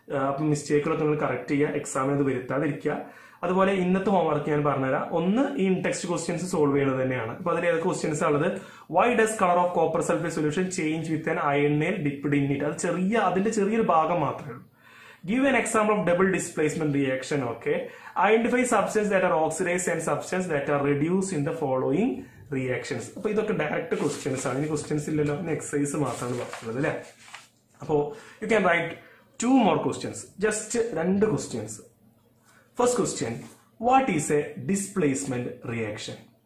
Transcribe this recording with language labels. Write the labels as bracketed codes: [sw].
[ml] അപ്പൊ മിസ്റ്റേക്കുകളൊക്കെ നിങ്ങൾ കറക്റ്റ് ചെയ്യുക, എക്സാമിനത് വരുത്താതിരിക്കുക. അതുപോലെ ഇന്നത്തെ ഹോംവർക്ക് ഞാൻ പറഞ്ഞുതരാം. ഒന്ന്, ഈ ഇൻടെക്സ്റ്റ് ക്വസ്റ്റ്യൻസ് സോൾവ് ചെയ്യുന്നത് തന്നെയാണ്. അപ്പൊ അതിൽ ഏതൊക്കെ ക്വസ്റ്റ്യൻസ് ആണത്? [en] Why does colour of copper sulphate solution change with an iron nail dipped in it? [ml] അത് ചെറിയ, അതിന്റെ ചെറിയൊരു ഭാഗം മാത്രമേ ഉള്ളൂ. [en] Give an example of double displacement reaction. Okay. Identify substances that are oxidized and substances that are reduced in the following reactions. [ml] അപ്പോൾ ഇതൊക്കെ direct questions ആണ്, ഇനി ക്വസ്റ്റ്യൻസ് ഇല്ലല്ലോ, ഇനി എക്സസൈസ് മാത്രമാണ് പറഞ്ഞത് അല്ലേ. [en] അപ്പോൾ you can write two more questions, [ml] just രണ്ട് questions. [en] First question, what is a displacement reaction?